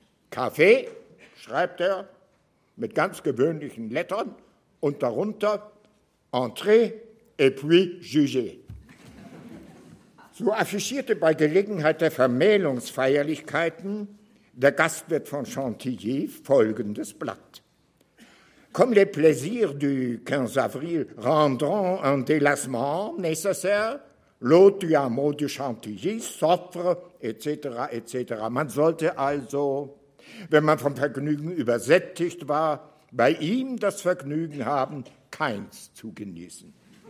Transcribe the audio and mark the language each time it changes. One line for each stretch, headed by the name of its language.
German: Kaffee, schreibt er, mit ganz gewöhnlichen Lettern und darunter
French: Entrée et puis jugé.
German: So affichierte bei Gelegenheit der Vermählungsfeierlichkeiten der Gastwirt von Chantilly folgendes Blatt.
French: Comme les plaisirs du 15 avril rendront un délassement nécessaire, l'hôte du hameau de Chantilly s'offre, etc., etc.
German: Man sollte also, wenn man vom Vergnügen übersättigt war, bei ihm das Vergnügen haben, keins zu genießen.